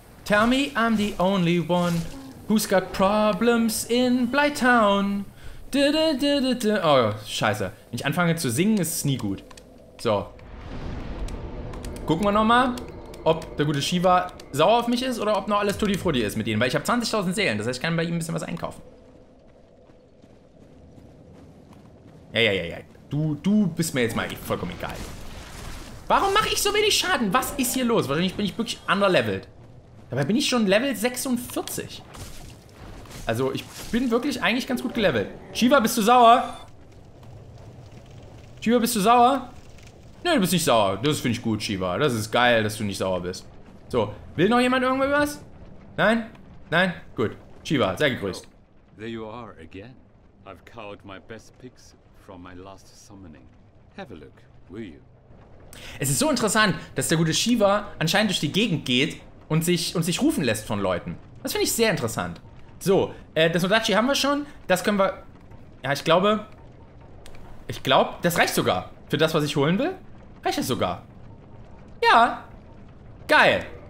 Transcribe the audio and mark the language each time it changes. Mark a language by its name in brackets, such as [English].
[English] Tell me I'm the only one who's got problems in Blighttown. [German] Oh, scheiße. Wenn ich anfange zu singen, ist es nie gut. So. Gucken wir nochmal, ob der gute Shiva sauer auf mich ist oder ob noch alles tutti-frutti ist mit ihnen. Weil ich habe 20.000 Seelen. Das heißt, ich kann bei ihm ein bisschen was einkaufen. Ja, ja, ja, ja. Du bist mir jetzt mal vollkommen egal. Warum mache ich so wenig Schaden? Was ist hier los? Wahrscheinlich bin ich wirklich underleveled. Dabei bin ich schon Level 46. Also, ich bin wirklich eigentlich ganz gut gelevelt. Shiva, bist du sauer? Shiva, bist du sauer? Nö, du bist nicht sauer. Das finde ich gut, Shiva. Das ist geil, dass du nicht sauer bist. So, will noch jemand irgendwie was? Nein? Nein? Gut. Shiva, sei gegrüßt. [English] There you are again. I've cowed my best picks from my last summoning. Have a look, will you? [German] Es ist so interessant, dass der gute Shiva anscheinend durch die Gegend geht und sich rufen lässt von Leuten. Das finde ich sehr interessant. So, das Odachi haben wir schon. Das können wir. Ja, ich glaube, das reicht sogar. Für das, was ich holen will, reicht es sogar. Ja. Geil.